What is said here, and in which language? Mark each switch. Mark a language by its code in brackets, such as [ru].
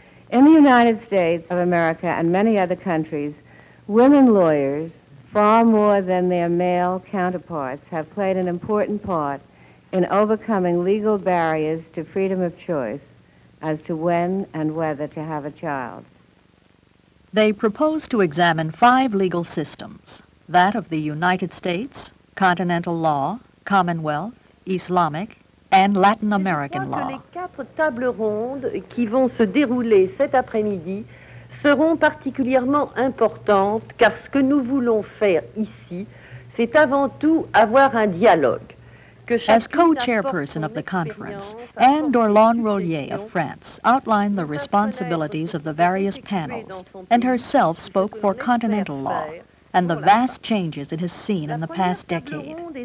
[en] In the United States of America and many other countries, women lawyers, far more than their male counterparts, have played an important part in overcoming legal barriers to freedom of choice as to when and whether to have a child. They propose to examine 5 legal systems: that of the United States, continental law, commonwealth, Islamic, and Latin American law. [fr] Les 4 tables rondes qui vont se dérouler cet après-midi seront particulièrement importantes car ce que nous voulons faire ici, c'est avant tout avoir un dialogue. [en] As co-chairperson of the conference, Anne Dorlon-Rollier of France outlined the responsibilities of the various panels and herself spoke for continental law and the vast changes it has seen in the past decade.